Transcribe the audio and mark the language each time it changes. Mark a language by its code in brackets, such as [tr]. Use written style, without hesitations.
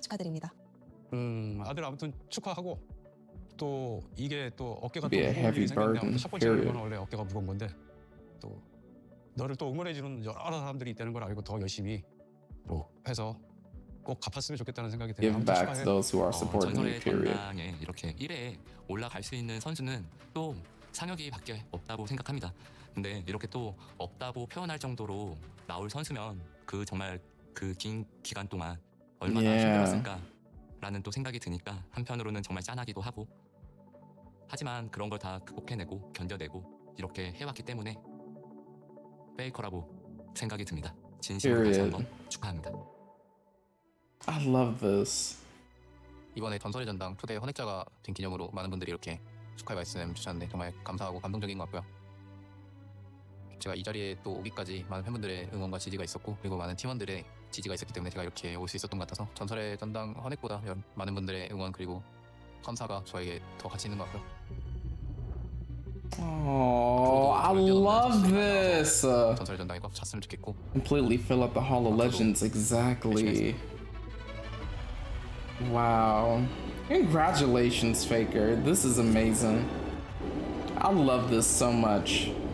[ko] 축하드립니다. 아들 아무튼 축하하고 또 이게 또 어깨가 또 무거운 게 생겼네. 첫 번째 이유는 원래 어깨가 무거운 건데 또 너를 또 응원해주는 여러 사람들이 있다는 걸 알고 더 열심히 뭐 해서 꼭 갚았으면 좋겠다는 생각이 드네요. [en] Give back to those who are supporting you, period. [ko] 전설의 전당에 이렇게 1회에 올라갈 수 있는 선수는 또 상혁이밖에 없다고 생각합니다. 근데 이렇게 또 없다고 표현할 정도로 나올 선수면 그 정말 그 긴 기간 동안 얼마나 힘들었을까 라는 또 생각이 드니까 한편으로는 정말 짠하기도 하고 하지만 그런 걸 다 극복해내고 견뎌내고 이렇게 해왔기 때문에 페이커라고 생각이 듭니다. 진심으로 다시 한번 축하합니다. [en] I love this. [ko] 이번에 전설의 전당 초대 헌액자가 된 기념으로 많은 분들이 이렇게 축하의 말씀 주셨는데 정말 감사하고 감동적인 것 같고요. 제가 이 자리에 또 오기까지 많은 팬분들의 응원과 지지가 있었고 그리고 많은 팀원들의 지지가 있었기 때문에 제가 이렇게 올 수 있었던 것 같아서 전설의 전당 헌액보다 많은 분들의 응원 그리고 감사가 저에게 더 가치 있는 것 같고요. [en] Oh, I love this. Completely fill up the Hall of Legends, exactly. Wow. Congratulations, Faker. This is amazing. I love this so much.